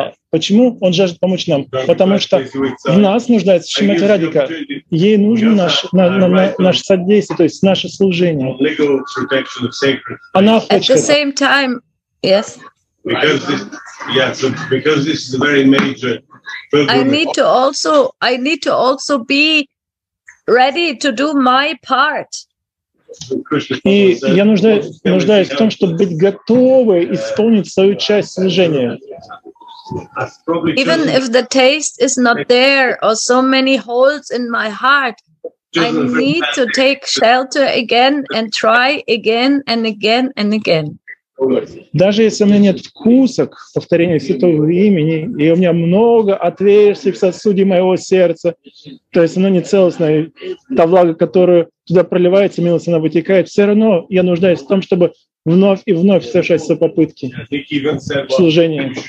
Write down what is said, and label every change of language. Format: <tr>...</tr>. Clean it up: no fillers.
<ru>Почему он жаждет помочь нам? Потому что в нас нуждается Шимати Радика. ей нужно наше содействие, то есть наше служение. Она хочет это.</ru> <en>Same time, yes. Because this, yeah, so because this is a very major problem. I need to also be ready to do my part.</en> <ru>И я нуждаюсь в том, чтобы быть готовой исполнить свою часть служения.</ru> <en>Even if the taste is not there or so many holes in my heart, I need to take shelter again and try again and again and again.</en> <ru>Даже если у меня нет вкуса к повторению святого имени, и у меня много отверстий в сосуде моего сердца, то есть оно не целостное, та влага, которая туда проливается, милость, она вытекает, все равно я нуждаюсь в том, чтобы вновь и вновь совершать свои попытки служения.</ru>